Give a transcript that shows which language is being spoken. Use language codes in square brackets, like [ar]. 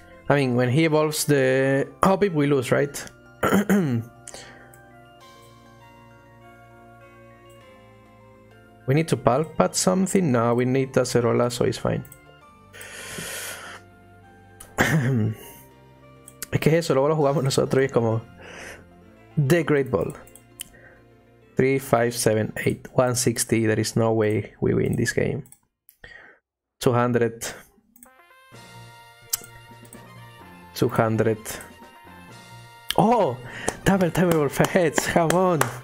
[en] I mean, when he evolves the Hoppy, we lose, right? We need to pulp at something? No, we need a Acerola, so it's fine. [es] Es que eso, luego lo jugamos nosotros y es como... [en] The Great Ball. 3, 5, 7, 8, 160, there is no way we win this game. 200. 200. Oh! Double Timer Ball for heads, come on!